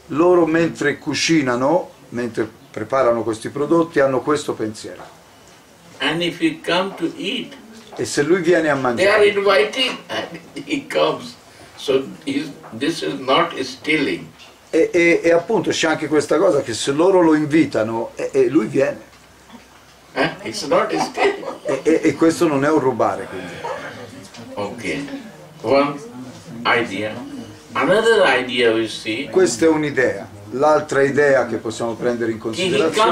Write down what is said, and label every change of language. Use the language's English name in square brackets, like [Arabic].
[Italian] Loro mentre cucinano, mentre preparano questi prodotti, hanno questo pensiero. [English] And if he come to eat. [Italian] E se lui viene a mangiare. [English] They are inviting and he comes. So this is not stealing. [Italian] E appunto c'è anche questa cosa che se loro lo invitano e lui viene. [English] It's not escape. [Italian] E questo non è un rubare, quindi. [English] Ok. One idea. Another idea we see. [Italian] Questa è un'idea. L'altra idea che possiamo prendere in considerazione.